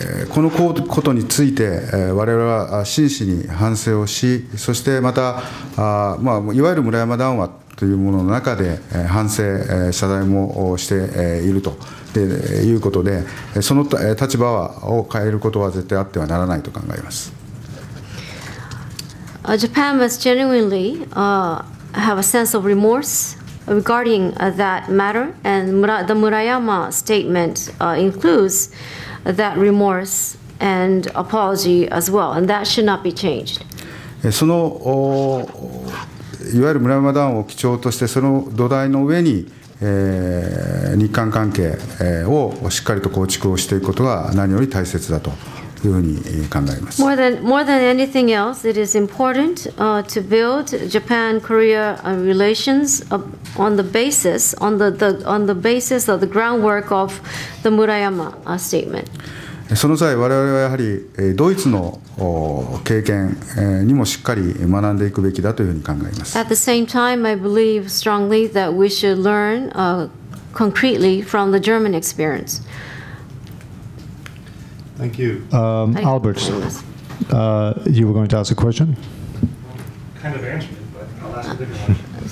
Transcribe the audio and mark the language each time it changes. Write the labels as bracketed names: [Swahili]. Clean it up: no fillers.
[Japanese] このことについて我々は真摯に反省をし、そしてまた、まあ、いわゆる村山談話というものの中で反省謝罪もしているということで、その立場を変えることは絶対あってはならないと考えます。 [English] Japan must genuinely have a sense of remorse regarding that matter, and the Murayama statement includes that remorse and apology as well, and that should not be changed. [Japanese] そのいわゆる村山談話を基調として、その土台の上に日韓関係をしっかりと構築をしていくことが何より大切だというふうに考えます。 [English] More than anything else, it is important to build Japan-Korea relations on the basis of the groundwork of the Murayama statement. [Japanese] その際、我々はやはりドイツの経験にもしっかり学んでいくべきだというふうに考えます。 [English] At the same time, I believe strongly that we should learn concretely from the German experience. Thank you. Albert, you were going to ask a question? Kind of answered it, but I'll ask a different question.